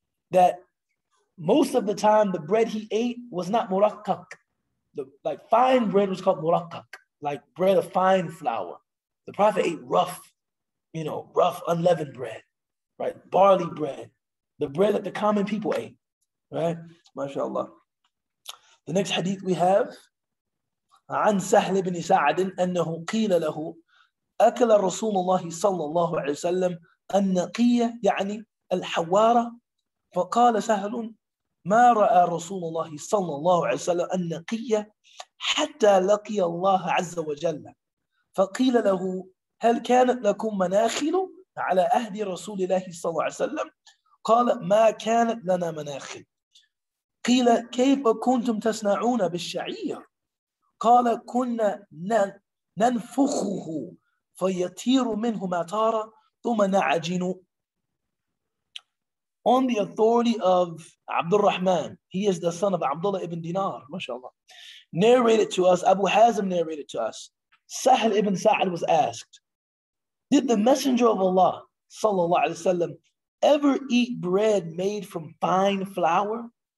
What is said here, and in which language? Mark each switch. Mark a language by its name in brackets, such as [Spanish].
[English] That most of the time, the bread he ate was not murakkak. Like fine bread was called murakkak, like bread of fine flour. The Prophet ate rough, you know, rough unleavened bread, right? Barley bread, the bread that the common people ate, right? MashaAllah. The next hadith we have, [Arabic] عن سهل بن سعد أنه قيل له أكل رسول الله صلى الله عليه وسلم النقية يعني الحوارة فقال سهل ما رأى رسول الله صلى الله عليه وسلم النقية حتى لقي الله عز وجل فقيل له هل كانت لكم مناخل على أهل رسول الله صلى الله عليه وسلم قال ما كانت لنا مناخل قيل كيف كنتم تصنعون بالشعير قال كنا ننفخه فيطير منه ما طار ثم نعجن. [English] On the authority of Abdul Rahman, he is the son of Abdullah ibn Dinar, mashallah, narrated to us, Abu Hazm narrated to us, Sahl ibn Sa'ad was asked, did the Messenger of Allah, sallallahu alayhi wa sallam, ever eat bread made from fine flour?